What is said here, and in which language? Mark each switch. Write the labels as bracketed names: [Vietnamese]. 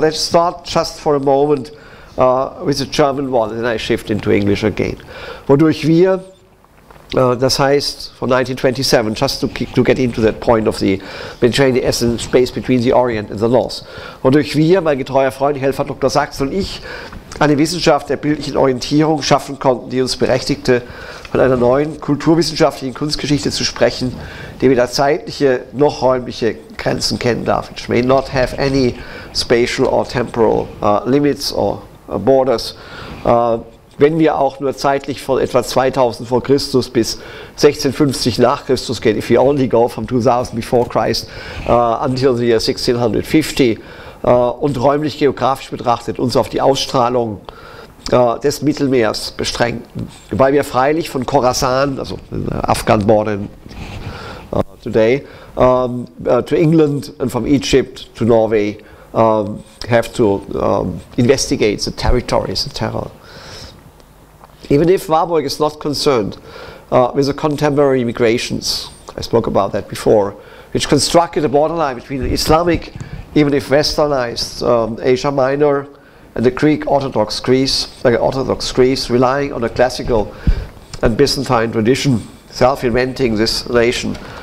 [English] But let's start just for a moment with the German one, and then I shift into English again. [German] Wodurch wir, das heißt, [English] for 1927, just to get into that point of the Mediterranean as a space between the Orient and the North. [German] Wodurch wir, mein getreuer Freund, Helfer Dr. Sachs und ich, eine Wissenschaft der bildlichen Orientierung schaffen konnten, die uns berechtigte, von einer neuen kulturwissenschaftlichen Kunstgeschichte zu sprechen, die weder zeitliche noch räumliche Grenzen kennen darf. [English] It may not have any spatial or temporal limits or borders. [German] Wenn wir auch nur zeitlich von etwa 2000 vor Christus bis 1650 nach Christus gehen, [English] if we only go from 2000 before Christ until the year 1650, [German] und räumlich geografisch betrachtet uns auf die Ausstrahlung des Mittelmeers beschränken. Wobei wir freilich von Khorasan, also [English] Afghan border today, to England and from Egypt to Norway have to investigate the territories, the terror. Even if Warburg is not concerned with the contemporary migrations, I spoke about that before, which constructed a borderline between the Islamic, even if westernized, Asia Minor and the Greek Orthodox Greece, relying on a classical and Byzantine tradition, self-inventing this nation.